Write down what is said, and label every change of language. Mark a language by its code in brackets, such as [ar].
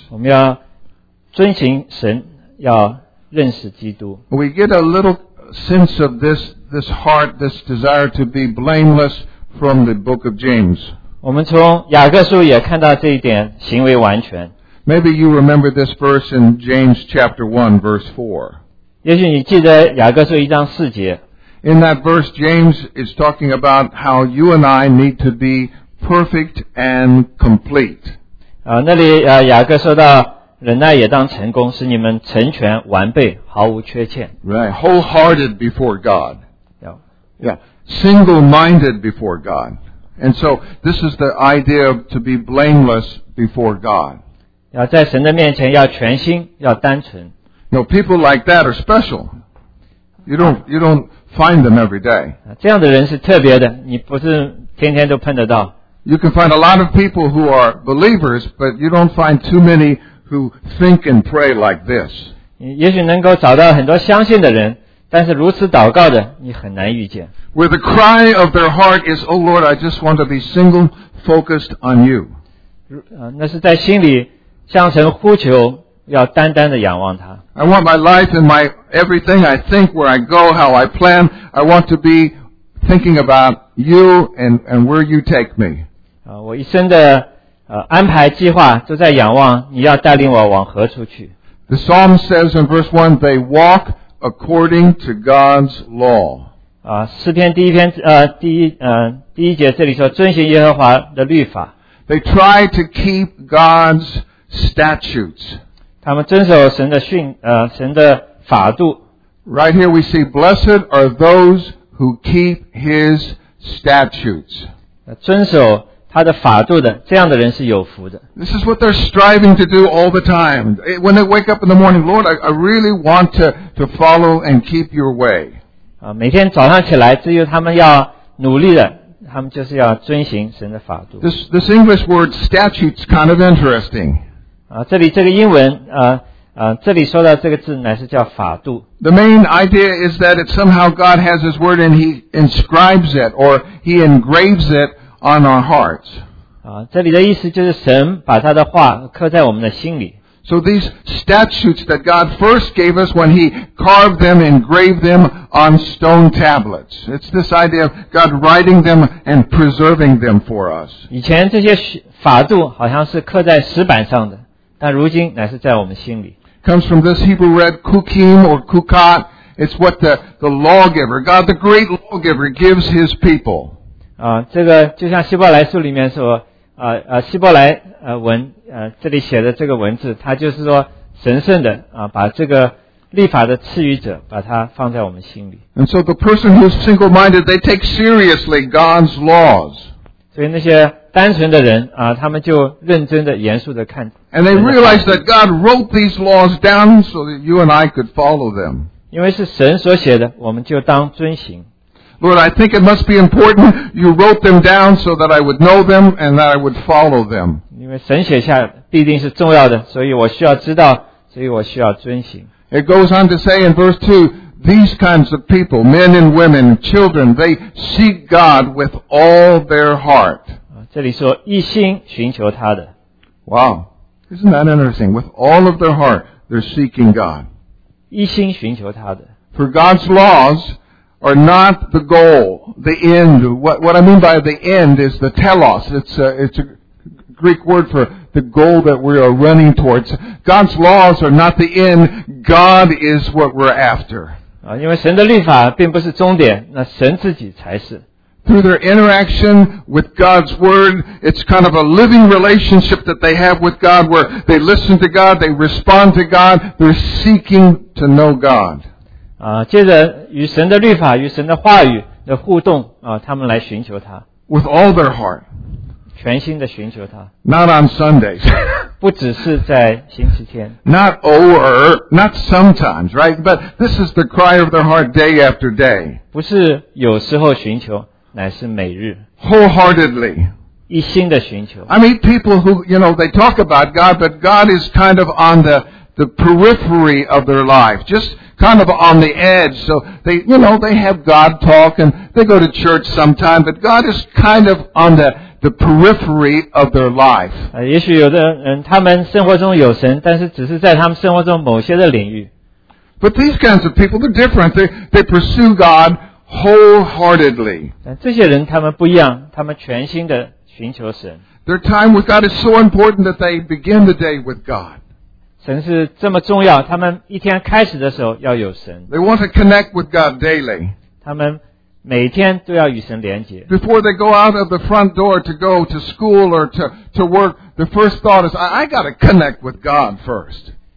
[zh] 我们要遵循神，要认识基督。 [en] We get a little sense of this heart, this desire to be blameless from the book of James. [zh] 我们从雅各书也看到这一点，行为完全。 [en] Maybe you remember this verse in James chapter 1, verse 4. [zh] 也许你记得雅各书一章四节。 [en] In that verse, James is talking about how you and I need to be perfect and complete. [zh] 那里雅各说到忍耐也当成功，使你们成全完备，毫无缺欠。 [en] Right, wholehearted before God. Yeah. Yeah, single-minded before God. And so, this is the idea of to be blameless before God. [zh] 要在神的面前要全心，要单纯。 [en] No, people like that are special. You don't find them every day. [zh] 这样的人是特别的，你不是天天都碰得到。 [en] You can find a lot of people who are believers, but you don't find too many who think and pray like this. [zh] 也许能够找到很多相信的人，但是如此祷告的，你很难遇见。 [en] Where the cry of their heart is, Oh Lord, I just want to be single focused on you. [zh] 那是在心里向神呼求要单单的仰望他。 [en] I want my life and my everything I think, where I go, how I plan, I want to be thinking about you and where you take me. [zh] 我一生的安排计划都在仰望你要带领我往何处去。 [en] The Psalm says in verse 1, they walk according to God's law. [zh] 诗篇第一节这里说遵循耶和华的律法。 [en] They try to keep God's statutes. [zh] 他们遵守神的训，神的法度。 [en] Right here we see, blessed are those who keep His statutes. [zh] 遵守他的法度的，这样的人是有福的。 [en] This is what they're striving to do all the time. When they wake up in the morning, Lord, I really want to follow and keep Your way. [zh] 每天早上起来，只有他们要努力的。他们就是要遵行神的法度。 [en] This English word statute is kind of interesting. [zh] 这里这个英文，这里说的这个字乃是叫法度。 [en] The main idea is that it's somehow God has His word and He inscribes it or He engraves it on our hearts. 这里的意思就是神把他的话刻在我们的心里。 So these statutes that God first gave us when He carved them, engraved them on stone tablets. It's this idea of God writing them and preserving them for us. [zh] 以前这些法度好像是刻在石板上的，但如今乃是在我们心里。 [en] Comes from this Hebrew word kukim or kukat. It's what the lawgiver, God the great lawgiver, gives His people. [zh] 这个就像希伯来书里面说，希伯来文这里写的这个文字，它就是说神圣的把这个立法的赐予者把它放在我们心里。 [en] And so the person who's single-minded, they take seriously God's laws. [zh] 所以那些单纯的人他们就认真的严肃的看。 [en] And they realize that God wrote these laws down so that you and I could follow them. [zh] 因为是神所写的，我们就当遵行。 [en] Lord, I think it must be important you wrote them down so that I would know them and that I would follow them. [zh] 因为神写下必定是重要的，所以我需要知道，所以我需要遵行。 [en] It goes on to say in verse 2, these kinds of people, men and women, children, they seek God with all their heart. [zh] 这里说一心寻求他的。 [en] Wow, isn't that interesting? With all of their heart, they're seeking God. [zh] 一心寻求他的。 [en] For God's laws,are not the goal, the end. What I mean by the end is the telos. It's a Greek word for the goal that we are running towards. God's laws are not the end. God is what we're after. [zh] 因为神的律法并不是终点，那神自己才是。 [en] Through their interaction with God's word, it's kind of a living relationship that they have with God where they listen to God, they respond to God, they're seeking to know God. [zh] 接着与神的律法与神的话语的互动他们来寻求他。 [en] With all their heart. [zh] 全心的寻求他。 [en] Not on Sundays. [zh] 不只是在星期天。 [en] Not over, not sometimes, right? But this is the cry of their heart day after day. [zh] 不是有时候寻求，乃是每日。 [en] Wholeheartedly. [zh] 一心的寻求。 [en] I mean, people who, you know, they talk about God, but God is kind of on the periphery of their life. JustKind of on the edge, so they, you know, they have God talk and they go to church sometime, but God is kind of on the periphery of their life. [zh] 也许有的人他们生活中有神，但是只是在他们生活中某些的领域。 [en] But these kinds of people, they're different. They pursue God wholeheartedly. [zh] 这些人他们不一样，他们全心的寻求神。 [en] Their time with God is so important that they begin the day with God. [zh] 神是这么重要，他们一天开始的时候要有神。 [en] They want to connect with God daily. [zh] 他们每天都要与神连接。 [en] Before they go out of the front door to go to school or to work, the first thought is, I got to connect with God first.